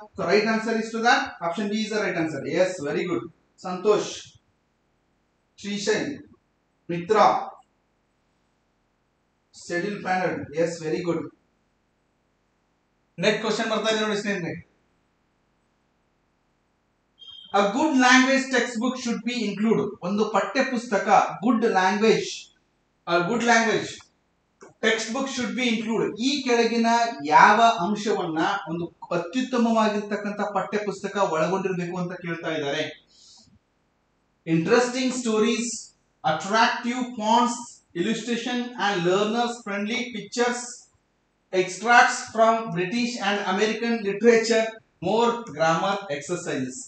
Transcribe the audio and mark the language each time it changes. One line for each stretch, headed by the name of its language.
English: So right answer is to the option B is the right answer. Yes, very good. Santosh, Shrishail, Mitra, ಸೆಡ್ಯೂಲ್ ಪ್ಯಾನರ್ಡ್. Yes, very good. Next question
Kannada: ಬರ್ತಾ ಇದೆ ನೋಡಿ ಸ್ನೇಹಿತರೆ.
English: A good language textbook should be included.
Kannada: ಒಂದು ಪಠ್ಯ ಪುಸ್ತಕ,
English: Good language, good language text book should be include.
Kannada: ಈ ಕೆಳಗಿನ ಯಾವ ಅಂಶವನ್ನ ಒಂದು ಅತ್ಯುತ್ತಮವಾಗಿರ್ತಕ್ಕಂಥ ಪಠ್ಯ ಪುಸ್ತಕ ಒಳಗೊಂಡಿರಬೇಕು ಅಂತ ಕೇಳ್ತಾ ಇದ್ದಾರೆ.
English: Interesting stories, attractive points, illustration and learners friendly pictures, extracts from British and American literature, more grammar exercises.